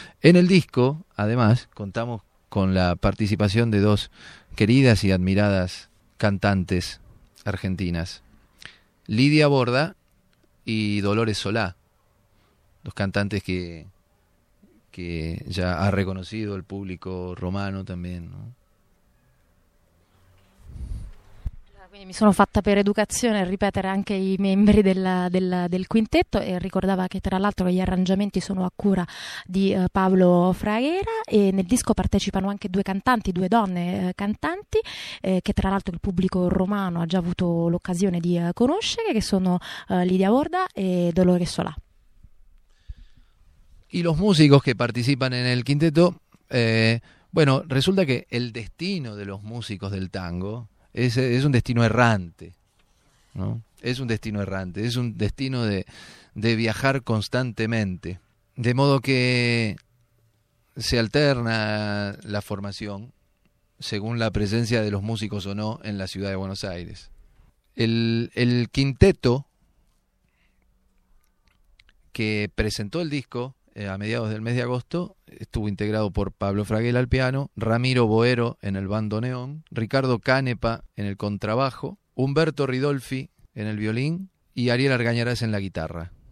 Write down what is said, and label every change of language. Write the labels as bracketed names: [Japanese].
[Spanish] En el disco, además, contamos con la participación de dos queridas y admiradas cantantes argentinas, Lidia Borda y Dolores Solá, dos cantantes que ya ha reconocido el público romano también, ¿no? [Italian] Quindi mi sono fatta per educazione ripetere anche i membri del quintetto, e ricordava che tra l'altro gli arrangiamenti sono a cura di Pablo Fraguera, e nel disco partecipano anche due cantanti, due donne cantanti, che tra l'altro il pubblico romano ha già avuto l'occasione di conoscere, che sono Lidia Borda e Dolores Solà. E i musici che partecipano nel quintetto, bueno, risulta che il destino dei musici del tango [Spanish] es un destino errante, ¿no? Es un destino errante, es un destino de viajar constantemente. De modo que se alterna la formación según la presencia de los músicos o no en la ciudad de Buenos Aires. El quinteto que presentó el disco a mediados del mes de agosto estuvo integrado por Pablo Fraguela al piano, Ramiro Boero en el bandoneón, Ricardo Canepa en el contrabajo, Humberto Ridolfi en el violín y Ariel Argañarás en la guitarra.